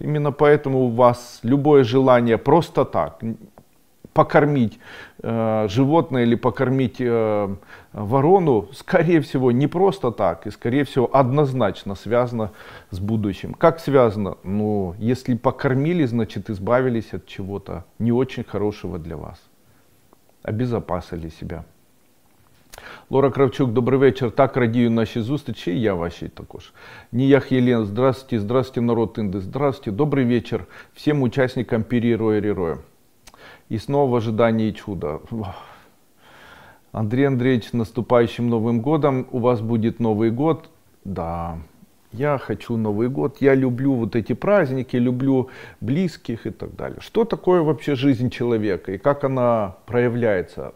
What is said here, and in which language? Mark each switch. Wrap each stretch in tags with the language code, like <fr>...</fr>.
<ru>Именно поэтому у вас любое желание просто так покормить животное или покормить ворону, скорее всего, не просто так, и скорее всего, однозначно связано с будущим. Как связано? Ну, если покормили, значит, избавились от чего-то не очень хорошего для вас. Обезопасили себя. Лора Кравчук, добрый вечер.</ru> <uk>Так радію наші зустрічі, я ваші також. Ніях Єлен,</uk> <ru>здравствуйте, здравствуйте, народ Інди, здравствуйте.</ru> <uk>Добрий вечір всім учасникам Перерой Рерой.</uk> <ru>И снова в ожидании чуда. Андрей Андреевич, с наступающим Новым годом. У вас будет Новый год. Да, я хочу Новый год. Я люблю вот эти праздники, люблю близких и так далее. Что такое вообще жизнь человека и как она проявляется?</ru>